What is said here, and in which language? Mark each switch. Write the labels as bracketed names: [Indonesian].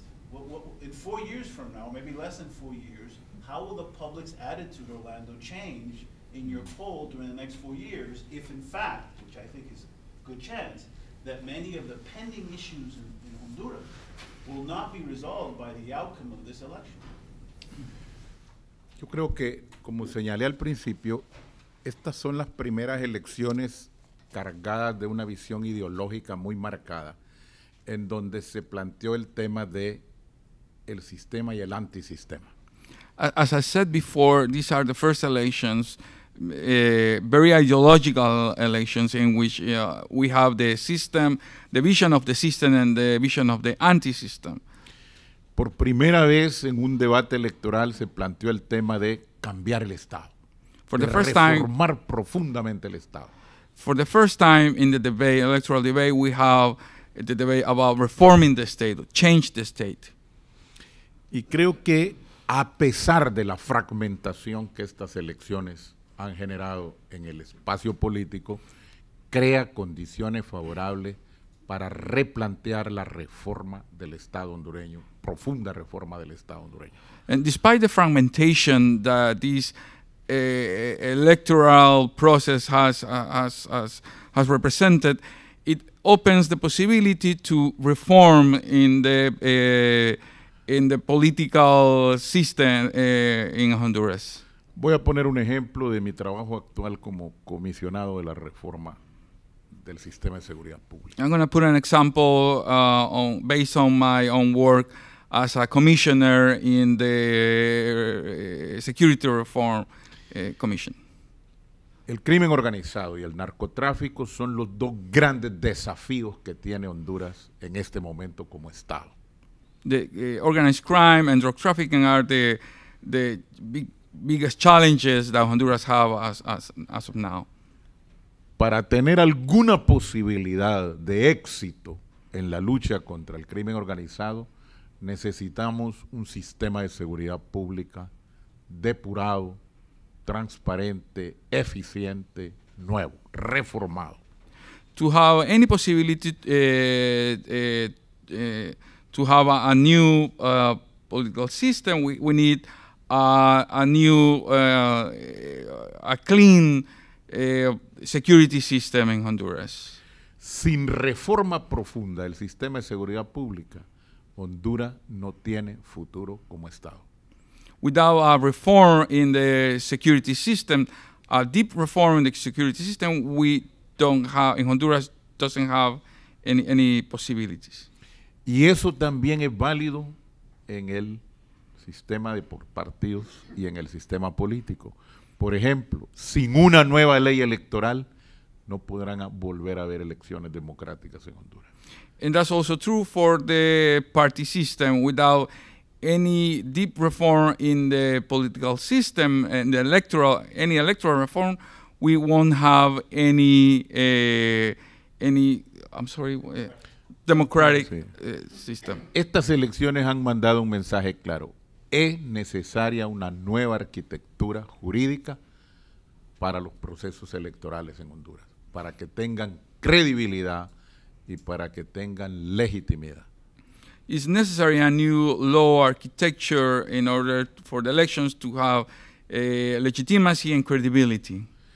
[English] What, in 4 years from now, maybe less than 4 years, how will the public's attitude, Orlando, change in your poll during the next 4 years if in fact, which I think is a good chance, that many of the pending issues in Honduras will not be resolved by the outcome of this election? [Spanish] Yo creo que, como señalé al principio, estas son las primeras elecciones cargadas de una visión ideológica muy marcada, en donde se planteó el tema de el sistema y el antisistema. [English] As I said before, these are the first elections, very ideological elections in which we have the system, the vision of the system and the vision of the anti-system. [Spanish] Por primera vez en un debate electoral se planteó el tema de cambiar el Estado. [English] For the first time, [Spanish] reformar profundamente el Estado. [English] For the first time in the debate, electoral debate, we have the debate about reforming the state, change the state. [Spanish] Y creo que a pesar de la fragmentación que estas elecciones han generado en el espacio político, crea condiciones favorables para replantear la reforma del Estado hondureño, profunda reforma del Estado hondureño. [English] And despite the fragmentation that this electoral process has represented, it opens the possibility to reform in the political system in Honduras. [Spanish] Voy a poner un ejemplo de mi trabajo actual como comisionado de la reforma del sistema de seguridad pública. [English] I'm going to put an example based on my own work as a commissioner in the Security Reform Commission. [Spanish] El crimen organizado y el narcotráfico son los dos grandes desafíos que tiene Honduras en este momento como Estado. [English] The organized crime and drug trafficking are the big, biggest challenges that Honduras have as of now. [Spanish] Para tener alguna posibilidad de éxito en la lucha contra el crimen organizado, necesitamos un sistema de seguridad pública depurado, transparente, eficiente, nuevo, reformado. [English] To have any possibility to have a new political system, we need a new, a clean security system in Honduras. [Spanish] Sin reforma profunda del sistema de seguridad pública, Honduras no tiene futuro como Estado. [English] Without a reform in the security system, a deep reform in the security system, we don't have, in Honduras, doesn't have any possibilities. [Spanish] Y eso también es válido en el sistema de partidos y en el sistema político. Por ejemplo, sin una nueva ley electoral, no podrán volver a haber elecciones democráticas en Honduras. [English] And that's also true for the party system. Without any deep reform in the political system and the electoral, any electoral reform, we won't have any democratic system. [Spanish] Estas elecciones han mandado un mensaje claro. Es necesaria una nueva arquitectura jurídica para los procesos electorales en Honduras, para que tengan credibilidad y para que tengan legitimidad. [English] It's necessary a new law architecture in order for the elections to have legitimacy and credibility.